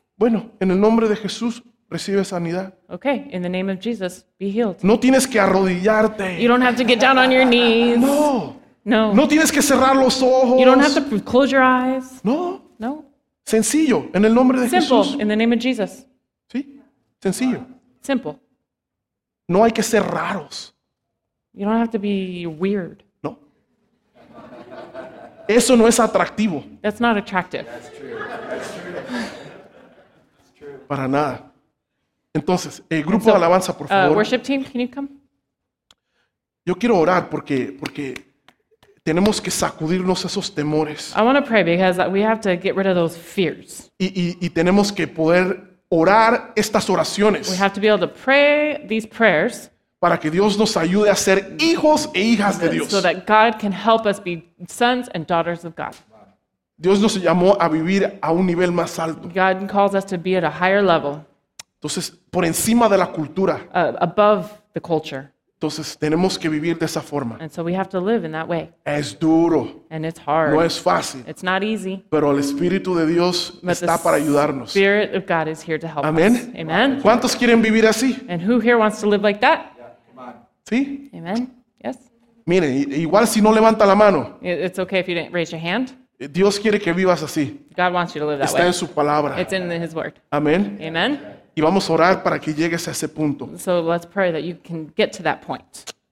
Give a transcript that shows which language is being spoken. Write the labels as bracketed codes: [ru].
[es] Bueno, en el nombre de Jesús recibe sanidad. [en] Okay, in the name of Jesus, be healed. [es] No tienes que arrodillarte. [en] You don't have to get down on your knees. [es] No. [en] No. [es] No tienes que cerrar los ojos. [en] You don't have to close your eyes. [es] No. [en] No. [es] Sencillo, en el nombre de [en] Simple, [es] Jesús. [en] Simple, in the name of Jesus. [es] Sí. Sencillo. [en] Simple. [es] No hay que ser raros. [en] You don't have to be weird. [es] No. Eso no es atractivo. [en] That's not attractive. That's true. [es] Para nada. Entonces, el grupo de alabanza, por favor. [en] Worship team, can you come? [es] Yo quiero orar porque tenemos que sacudirnos esos temores. [en] I want to pray because we have to get rid of those fears. [es] Y tenemos que poder orar estas oraciones. [en] We have to be able to pray these prayers. [es] Para que Dios nos ayude a ser hijos e hijas de Dios. [en] So that God can help us be sons and daughters of God. [es] Dios nos llamó a vivir a un nivel más alto. [en] God calls us to be at a higher level. [es] Entonces, por encima de la cultura. [en] Above the culture. [es] Entonces, tenemos que vivir de esa forma. [en] And so we have to live in that way. [es] Es duro. [en] And it's hard. [es] No es fácil. [en] It's not easy. [es] Pero el Espíritu de Dios está para ayudarnos. [en] The Spirit of God is here to help [es] Amen. [en] Us. Amen. [es] ¿Cuántos quieren vivir así? [en] And who here wants to live like that? [es] ¿Sí? [en] Amen. Yes. [es] Miren, igual si no levanta la mano. [en] It's okay if you didn't raise your hand. [es] Dios quiere que vivas así. [en] God wants you to live that [es] Está [en] way. [es] En su palabra. [en] It's in his word. [es] Amen. [en] Amen. [es] Y vamos a orar para que llegues a ese punto. [en] So let's pray that you can get to that point.